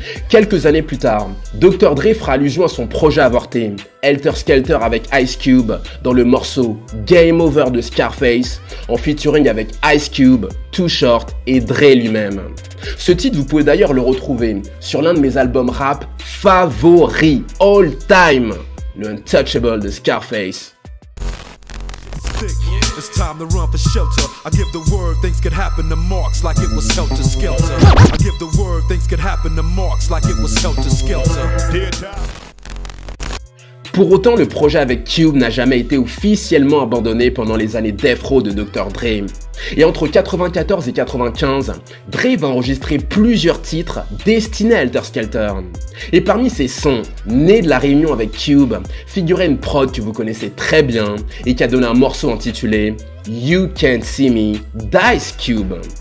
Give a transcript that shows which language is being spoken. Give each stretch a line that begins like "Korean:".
French: Quelques années plus tard, Dr. Dre fera allusion à son projet avorté, Helter Skelter avec Ice Cube, dans le morceau Game Over de Scarface, en featuring avec Ice Cube, Too Short et Dre lui-même. Ce titre, vous pouvez d'ailleurs le retrouver sur l'un de mes albums rap favoris,
English: all time,
French: le Untouchable de Scarface.
English: It's time to run for shelter. I give the word, things could happen to marks like it was Helter Skelter. I give the word, things could happen to marks like it was Helter Skelter.
French: Pour autant, le projet avec Cube n'a jamais été officiellement abandonné pendant les années Death Row de Dr. Dre. Et entre 94 et 95, Dre va enregistrer plusieurs titres destinés à Helter Skelter. Et parmi ces sons, nés de la réunion avec Cube, figurait une prod que vous connaissez très bien et qui a donné un morceau intitulé You Can't See Me d'Ice Cube.